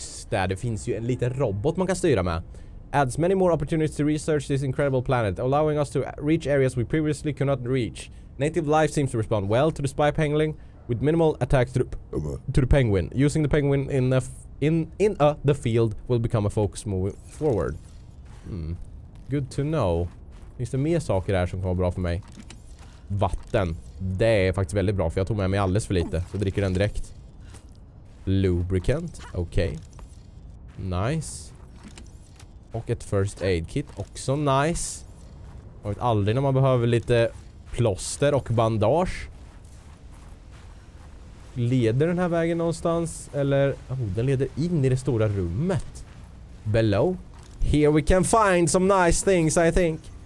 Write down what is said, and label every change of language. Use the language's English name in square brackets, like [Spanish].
[Swedish] Det finns ju en liten robot man kan styra med. [English] Adds many more opportunities to research this incredible planet, allowing us to reach areas we previously could not reach. Native life seems to respond well to the spy pangling, with minimal attacks to the penguin. Using the penguin in the field will become a focus moving forward. Good to know. [Swedish] Finns det mer saker här som kommer bra för mig? Vatten. Det är faktiskt väldigt bra, för jag tog med mig alldeles för lite. Så dricker den direkt. Lubricant. Okej. Okay. Nice. Och ett first aid kit. Också nice. Jag vet aldrig när man behöver lite plåster och bandage. Leder den här vägen någonstans? Eller... Oh, den leder in i det stora rummet. Below. [English] Here we can find some nice things, I think.